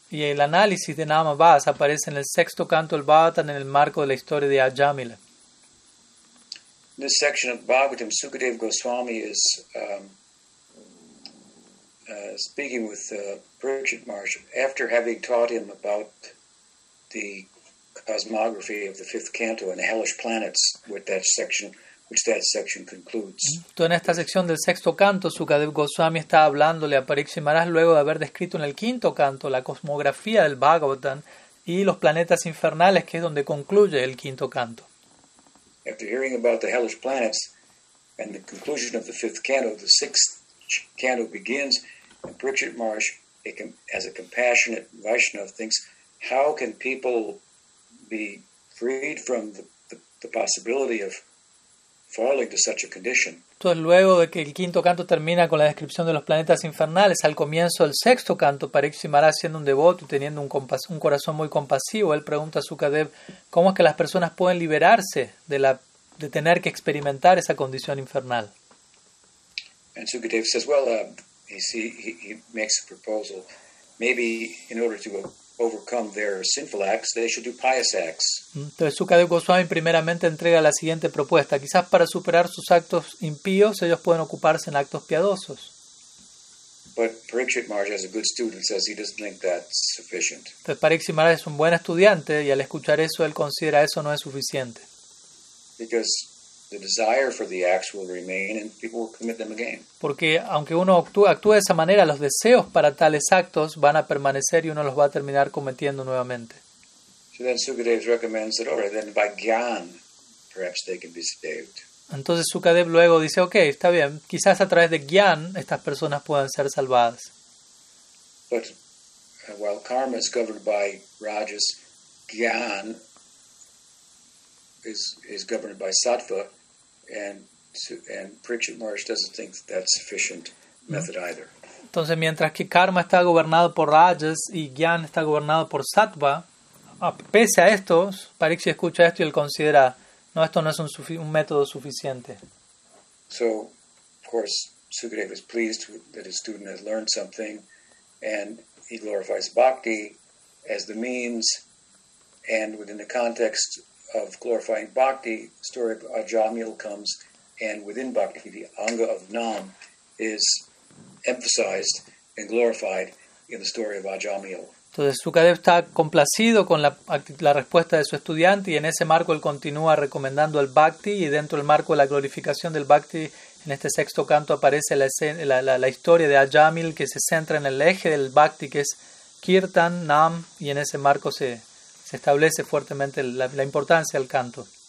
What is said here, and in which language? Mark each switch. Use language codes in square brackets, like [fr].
[es] Y el análisis de namabhas aparece en el sexto canto del Bhagavatam en el marco de la historia de Ajamila. [en] In this section of Bhagavatam, Sukadeva Goswami is speaking with Pariksit Maharaj after having taught him about the cosmography of the fifth canto and the hellish planets with that section, which that section concludes. [es] Entonces, en esta sección del sexto canto, Sukadeva Goswami está hablándole a Pariksit Maharaj luego de haber descrito en el quinto canto la cosmografía del Bhagavatam y los planetas infernales, que es donde concluye el quinto canto. [en] After hearing about the hellish planets, And the conclusion of the fifth canto, the sixth canto begins, and Prichit Marsh, as a compassionate Vaishnav, thinks, how can people be freed from the possibility of falling to such a condition? [es] Entonces, luego de que el quinto canto termina con la descripción de los planetas infernales, al comienzo del sexto canto, Pariksit Maharaj, siendo un devoto y teniendo un corazón muy compasivo, él pregunta a Sukadev, ¿cómo es que las personas pueden liberarse de tener que experimentar esa condición infernal? [en] And Sukadev says, well, he makes a proposal. Maybe in order to overcome their sinful acts, they should do pious acts. [es] Entonces Sukadev Goswami primeramente entrega la siguiente propuesta. Quizás para superar sus actos impíos, ellos pueden ocuparse en actos piadosos. [en] But Pariksit Maharaj, as a good student, says he doesn't think that's sufficient. [es] Entonces Pariksit Maharaj es un buen estudiante y al escuchar eso, él considera eso no es suficiente. [en] Because the desire for the acts will remain and people will commit them again. [es] Porque aunque uno actúe de esa manera, los deseos para tales actos van a permanecer y uno los va a terminar cometiendo nuevamente. [en] So then Sukadev recommends that, alright, then by Gyan, perhaps they can be saved. [es] Entonces Sukadev luego dice, okay, está bien, quizás a través de Gyan estas personas puedan ser salvadas. [en] But while karma is governed by Rajas, Gyan is governed by sattva, and Prichit Marsh doesn't think that that's sufficient method either. [es] Entonces, mientras que karma está gobernado por rajas y gyan está gobernado por sattva, pese a esto, Pariksit escucha esto y él considera, no, esto no es un método suficiente. [en] So, of course, Sukadev is pleased that his student has learned something, and he glorifies bhakti as the means, and within the context of glorifying bhakti, the story of Ajamil comes, and within bhakti, the anga of Nam is emphasized and glorified in the story of Ajamil. [es] Entonces Sukadev está complacido con la respuesta de su estudiante y en ese marco él continúa recomendando el bhakti y dentro del marco de la glorificación del bhakti, en este sexto canto aparece la historia de Ajamil que se centra en el eje del bhakti que es kirtan, nam, y en ese marco se establece fuertemente la importancia del canto.